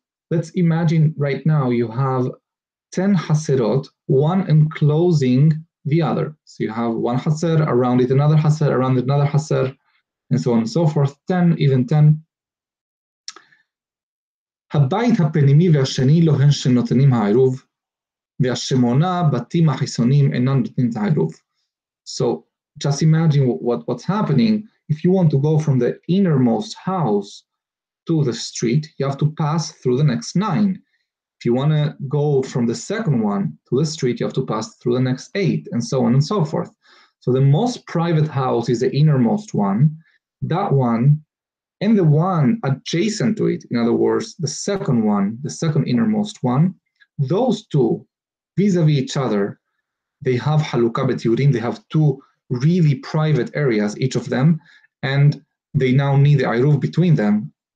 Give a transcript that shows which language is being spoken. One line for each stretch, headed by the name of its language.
English: Let's imagine right now you have 10 haserot, one enclosing the other. So you have one haser, around it another haser, around it another haser, and so on and so forth, 10, even 10.
Hebrew: הבית הפנימי והשני לא הן שנותנים העירוב, והשמונה בתים החיסונים אינן נותנים את העירוב.
English: So just imagine what's happening. If you want to go from the innermost house to the street, you have to pass through the next 9. If you want to go from the second one to the street, you have to pass through the next 8, and so on and so forth. So the most private house is the innermost one. That one, and the one adjacent to it, in other words, the second one, the second innermost one, those two, vis-a-vis each other, they have haluka betiurim, they have two really private areas, each of them, and they now need the ayruv between them.